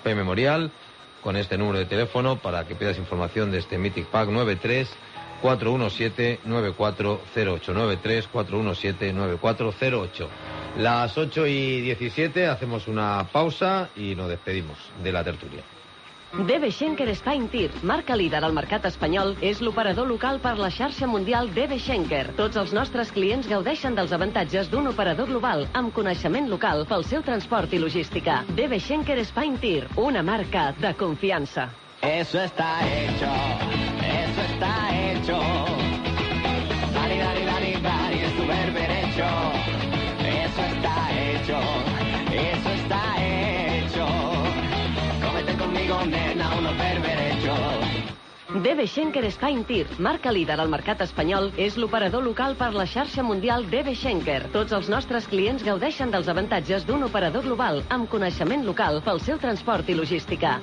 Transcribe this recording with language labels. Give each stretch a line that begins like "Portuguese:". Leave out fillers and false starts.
Spanish: Spy Memorial, con este número de teléfono para que pidas información de este Mythic Pack, 93-417-9408. 93-417-9408. Las 8 y 17, hacemos una pausa y nos despedimos de la tertulia.
Catalan: DB Schenker Spine Tir, marca líder al mercat espanyol, és l'operador local per la xarxa mundial DB Schenker. Tots els nostres clients gaudeixen dels avantatges d'un operador global amb coneixement local pel seu transport i logística. DB Schenker Spine Tir, una marca de confiança.
Spanish: Eso está hecho, eso está hecho. Dale, dale, dale, dale, es tu ver derecho. Eso está hecho, eso está hecho.
Catalan: DB Schenker Spine Tir, marca líder al mercat espanyol, és l'operador local per la xarxa mundial DB Schenker. Tots els nostres clients gaudeixen dels avantatges d'un operador global amb coneixement local pel seu transport i logística.